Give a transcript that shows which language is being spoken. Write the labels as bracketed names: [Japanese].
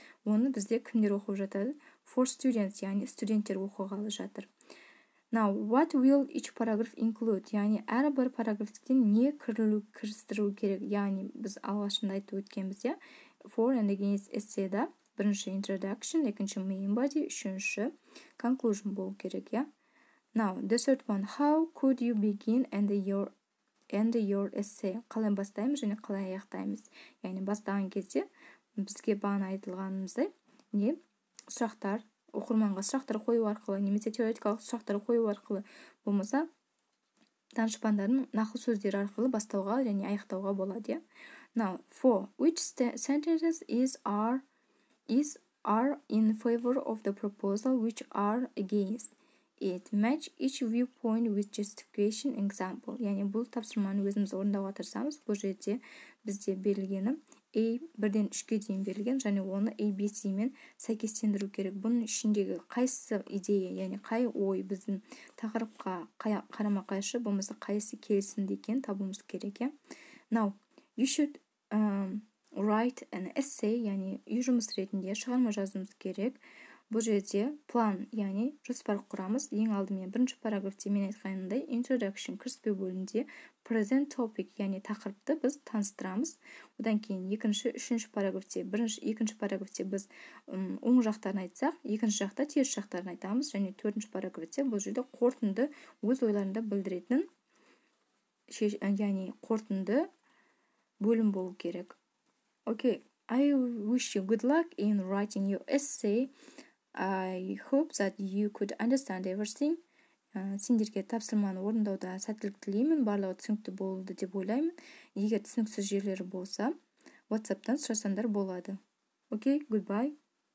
[Kazakh] Оны бізде кімдер оқып жатады? [English] For students, [Kazakh] яғни студенттер оқығалы жатыр. [English] Now, what will each paragraph include? [Kazakh] Яғни әрбір параграфтан не кірістіру керек? Яғни біз алғашында айтып өткенбіз, я? [English] For and against essay- [Kazakh] да бірінші introduction, екінші main body, үшінші conclusion болу керек, я? [English] Now, the third one, how could you begin and your essay? [Kazakh] Қалай бастаймыз және қалай аяқтаймыз? Яғни бастаған кезде бізге бағана айтылғанымыздай не сұрақтар, оқырманға сұрақтар қою арқылы, немесе теоретикалық сұрақтар қою арқылы, болмаса данышпандардың нақыл сөздері арқылы бастауға және аяқтауға болады. [English] Now, for which sentences are in favor of the proposal, which are against it? Match each viewpoint with justification example. [Kazakh] Яғни бұл тапсырманы өзіміз орындауға тырысамыз. Бұл жерде бізде берілгені A 1-ден 3-ке дейін берілген және оны A, B, C-мен сәйкестендіру керек. Бұның ішіндегі қайсы идея, яғни қай ой біздің тақырыпқа қарама-қайшы, болмаса қайсы келісімді екен табуымыз керек. [English] Now, you should write an essay, [Kazakh] яғни үй жұмыс ретінде шығарма жазуымыз керек. Бұл жерде план, яғни жоспар құрамыз. Ең алдымен бірінші параграфте мен айтқанымдай introduction кіріспе бөлімінде [English] present topic, [Kazakh] яғни тақырыпты біз таныстырамыз. Одан кейін екінші параграфте біз оң жақтарын айтсақ, екінші жақта теріс жақтарын айтамыз және төртінші параграфте бұл жерде қорытынды өз ойларында білдіретін яғни қорытынды бөлім болу керек. [English] Okay, I wish you good luck in writing your essay. I hope that you could understand everything. [Kazakh] Сендерге тапсырманы орындауда сәттілік тілеймін, барлығы түсінікті болды деп ойлаймын. Егер түсініксіз жерлері болса, WhatsApp-тан сұрасаңдар болады. [English] Okay, goodbye.